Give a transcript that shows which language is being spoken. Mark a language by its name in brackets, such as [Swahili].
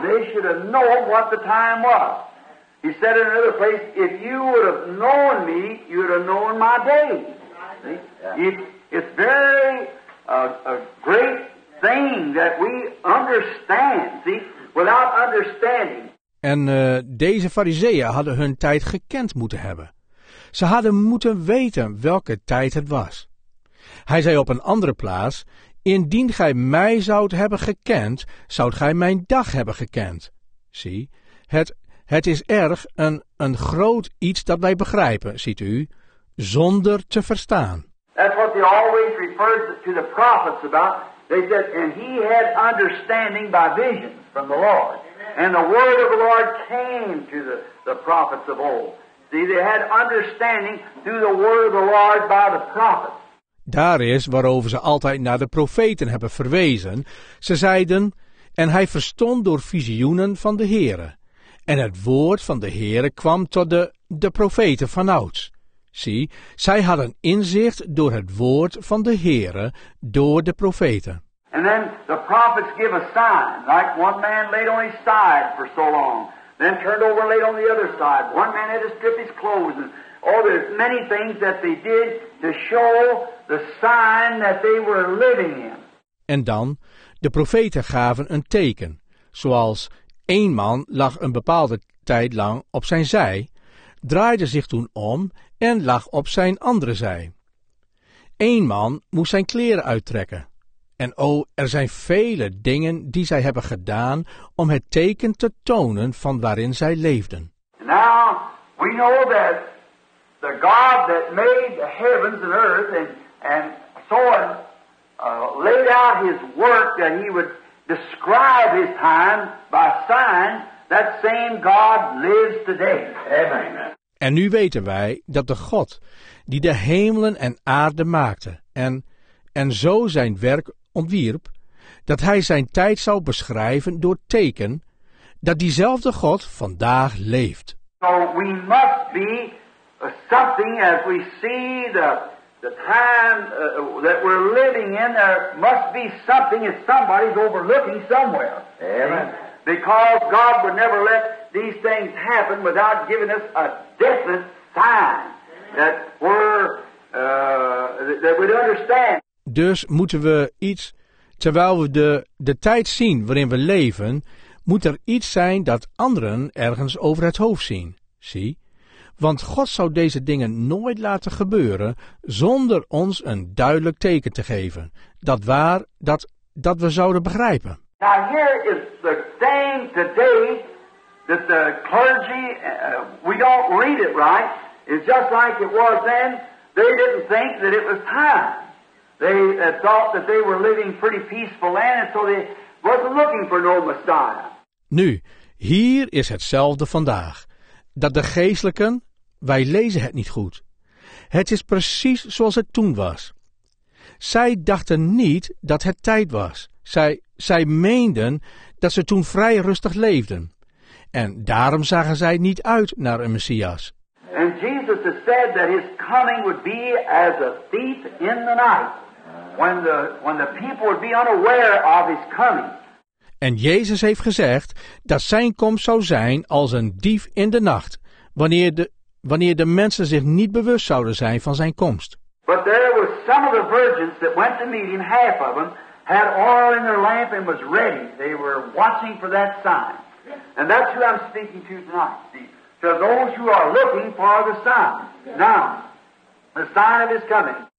[English] They should have known what the time was. He said in another place, if you would have known me, you would have known my day. Yeah. It's very a great thing that we understand, see, without understanding. [Dutch] En deze Farizeeën hadden hun tijd gekend moeten hebben. Ze hadden moeten weten welke tijd het was. Hij zei op een andere plaats, indien gij mij zoudt hebben gekend, zoudt gij mijn dag hebben gekend. Zie, het is erg een groot iets dat wij begrijpen, ziet u, zonder te verstaan. [English] That's what they always referred to the prophets about. They said, and he had understanding by visions from the Lord. And the word of the Lord came to the prophets of old. See, they had understanding through the word of the Lord by the prophets. [Dutch] Daar is waarover ze altijd naar de profeten hebben verwezen. Ze zeiden, en hij verstond door visioenen van de Heere. En het woord van de Heere kwam tot de profeten vanouds. Zie, zij hadden inzicht door het woord van de Heere, door de profeten. [English] And then the prophets give a sign, like one man laid on his side for so long, then turned over and laid on the other side. One man had to strip his clothes. Oh, there's many things that they did to show the sign that they were living in. [Dutch] En dan, de profeten gaven een teken, zoals één man lag een bepaalde tijd lang op zijn zij, draaide zich toen om en lag op zijn andere zij. Eén man moest zijn kleren uittrekken. En o, er zijn vele dingen die zij hebben gedaan om het teken te tonen van waarin zij leefden. [English] Now, we know that the God that made the heavens and earth and so on laid out his work that he would describe his time by sign, that same God lives today. Amen. [Dutch] En nu weten wij dat de God die de hemelen en aarde maakte en zo zijn werk ontwierp, dat hij zijn tijd zou beschrijven door teken, dat diezelfde God vandaag leeft. [English] So we must be something as we see the time that we're living in, there must be something that somebody's overlooking somewhere. Amen. Because God would never let these things happen without giving us a definite time that we're that we understand. [Dutch] Dus moeten we iets, terwijl we de tijd zien waarin we leven, moet er iets zijn dat anderen ergens over het hoofd zien. Zie, want God zou deze dingen nooit laten gebeuren zonder ons een duidelijk teken te geven dat waar dat we zouden begrijpen. [English] Now here is the thing today that the clergy we don't read it right. It's just like it was then. They didn't think that it was time. They thought that they were living pretty peaceful land, and so they wasn't looking for no Messiah. [Dutch] Nu, hier is hetzelfde vandaag. Dat de geestelijken, wij lezen het niet goed. Het is precies zoals het toen was. Zij dachten niet dat het tijd was. Zij meenden dat ze toen vrij rustig leefden. En daarom zagen zij niet uit naar een Messias. [English] And Jesus has said that his coming would be as a thief in the night. When the people would be unaware of his coming. [Dutch] En Jezus heeft gezegd dat zijn komst zou zijn als een dief in de nacht, wanneer de mensen zich niet bewust zouden zijn van zijn komst. [English] But there were some of the virgins that went to meet him, half of them, had oil in their lamp and was ready. They were watching for that sign. And that's who I'm speaking to tonight. To those who are looking for the sign. Now, the sign of his coming.